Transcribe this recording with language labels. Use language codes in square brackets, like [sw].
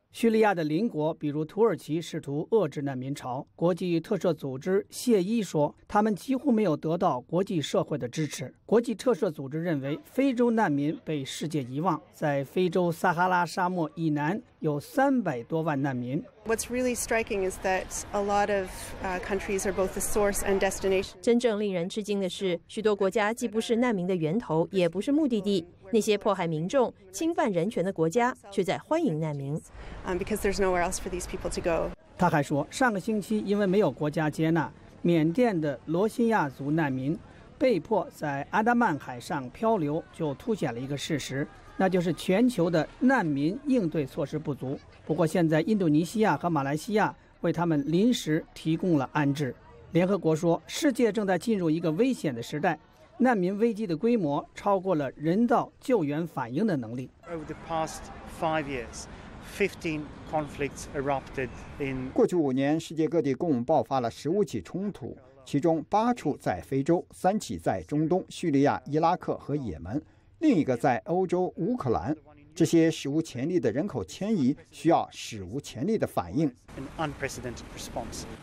[zh] 叙利亚的邻国比如土耳其试图遏制难民潮，国际特赦组织谢伊说，他们几乎没有得到国际社会的支持。国际特赦组织认为，非洲难民被世界遗忘，在非洲撒哈拉沙漠以南有300多万难民。 [en] What's really striking is that a lot of countries are both the source and destination. [zh] 真正令人吃惊的是，许多国家既不是难民的源头，也不是目的地。那些迫害民众、侵犯人权的国家却在欢迎难民。 [en] Because there's nowhere else for these people to go. [zh] 他还说，上个星期因为没有国家接纳，缅甸的罗兴亚族难民被迫在阿达曼海上漂流，就凸显了一个事实，那就是全球的难民应对措施不足。不过现在印度尼西亚和马来西亚为他们临时提供了安置。联合国说，世界正在进入一个危险的时代，难民危机的规模超过了人道救援反应的能力。 [en] Over the past five years, 15 conflicts erupted in. [zh] 过去五年，世界各地共爆发了15起冲突，其中8处在非洲，3起在中东，叙利亚、伊拉克和也门，另一个在欧洲乌克兰。这些史无前例的人口迁移需要史无前例的反应。 [en] An unprecedented response.